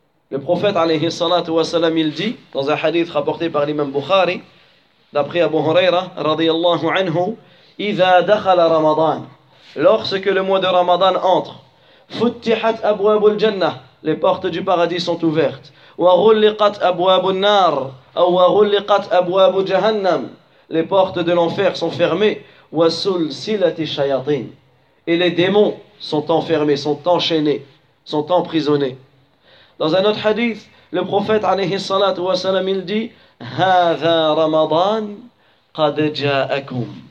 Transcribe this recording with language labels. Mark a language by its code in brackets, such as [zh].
[fr] Le prophète, alayhi salatu wa salam, il dit, dans un hadith rapporté par l'imam Bukhari, d'après Abu Huraira, radiyallahu anhu, « [ar] Iza dakhala Ramadan [fr] » Lorsque le mois de Ramadan entre, « [ar] Futtihat abwabul jannah [fr] » Les portes du paradis sont ouvertes. [ar] وغلقت أبواب النار أو وغلقت أبواب جهنم. [fr] Les portes de l'enfer sont fermées. [ar] وسلسلة الشياطين. [fr] Et les démons sont enfermés, sont enchaînés, sont emprisonnés. Dans un autre hadith, Le prophète alayhi salatu wa salam, il dit: [ar] Hadha Ramadan qad ja'akum.